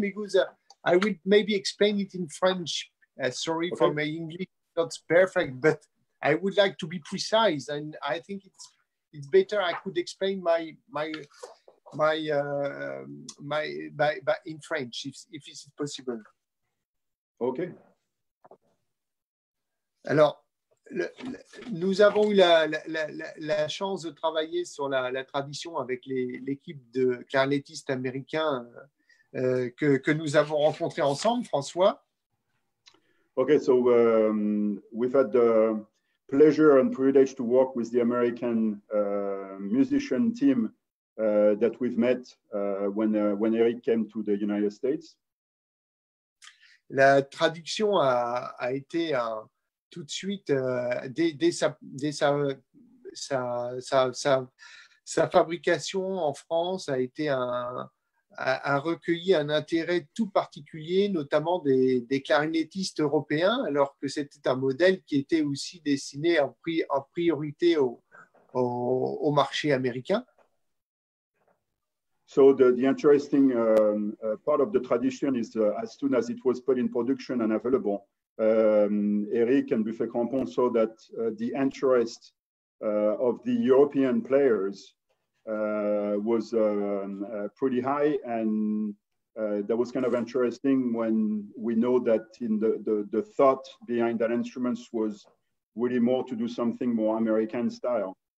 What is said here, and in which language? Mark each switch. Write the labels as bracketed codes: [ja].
[en] Because I would maybe explain it in French. Sorry, okay. For my English, not perfect, but I would like to be precise. And I think it's better I could explain my in French, if it's possible. Okay. [fr] Alors, nous avons eu la chance de travailler sur la tradition avec l'équipe de clarinettistes américains que nous avons rencontré ensemble, François. [en] Okay, so we've had the pleasure and privilege to work with the American musician team that we've met when Eric came to the United States. [fr] La traduction a été tout de suite dès sa fabrication en France a été a recueilli un intérêt tout particulier, notamment des clarinettistes européens, alors que c'était un modèle qui était aussi destiné en priorité au marché américain. [en] So the interesting part of the tradition is as soon as it was put in production and available, Eric and Buffet Crampon saw that the interest of the European players was pretty high, and that was kind of interesting when we know that in the thought behind that instruments was really more to do something more American style.